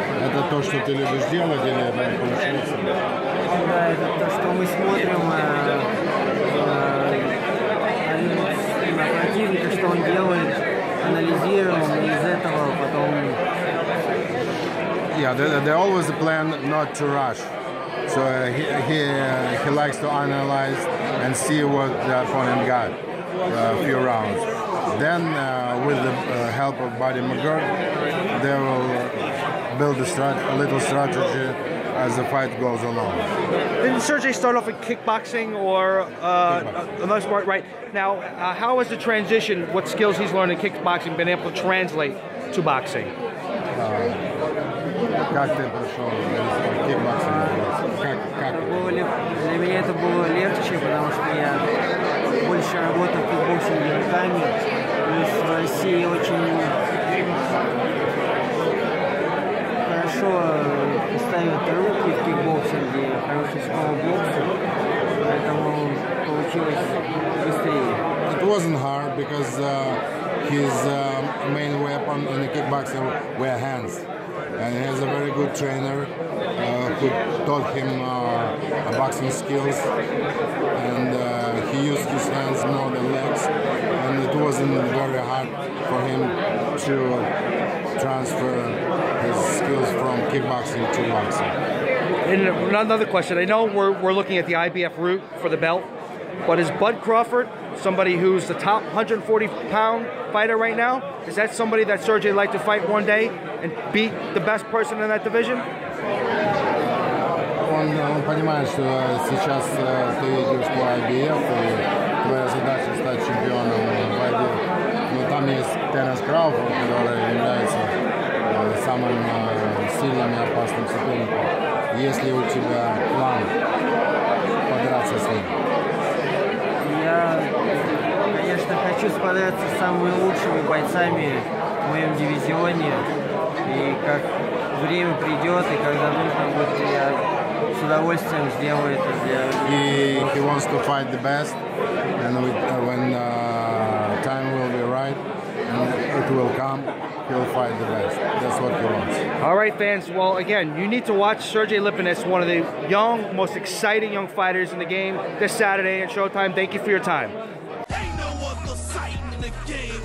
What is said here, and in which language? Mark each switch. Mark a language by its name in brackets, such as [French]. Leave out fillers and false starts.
[Russian] Это то, что ты любишь делать, или это получается? Да, это то, что мы смотрим на противника, что он делает, анализируем, и из этого потом... [English] Yeah, they always plan not to rush. So he likes to analyze and see what the opponent got a few rounds. Then with the help of Buddy McGirt, they will build a little strategy as the fight goes along. Didn't Sergey start off with kickboxing or another sport? Right. Now, how has the transition, what skills he's learned in kickboxing, been able to translate to boxing? [Russian] Как ты прошел кикбоксинг? Для меня это было легче, потому что я больше работал в кикбоксинге руками. Плюс в России очень хорошо ставят руки в кикбоксинге, хороший скоробокс, поэтому получилось быстрее. [English] It wasn't hard, because his main weapon in the kickboxing were hands. And he has a very good trainer who taught him boxing skills. And he used his hands more than legs. And it wasn't very hard for him to transfer his skills from kickboxing to boxing. And another question. I know we're looking at the IBF route for the belt, but is Bud Crawford, somebody who's the top 140-pound fighter right now, is that somebody that Sergey would like to fight one day and beat the best person in that division? [Russian] Он понимает, что сейчас ты идешь по IBF, и твоя задача стать чемпионом в IBF. Но там есть Теренс Крауфорд, который является самым сильным и опасным соперником. Есть ли у тебя план подраться с ним? [English] Yeah. [Russian] хочу справляться с самыми лучшими бойцами в моем дивизионе. И как время придет, и когда нужно будет, я с удовольствием сделаю это. [English] He wants to fight the best, and when time will be right, and it will come, he'll fight the best. That's what he wants. All right, fans. Well, again, you need to watch Sergey Lipinets, one of the young, most exciting young fighters in the game, this Saturday at Showtime. Thank you for your time. Ain't no other sight in the game.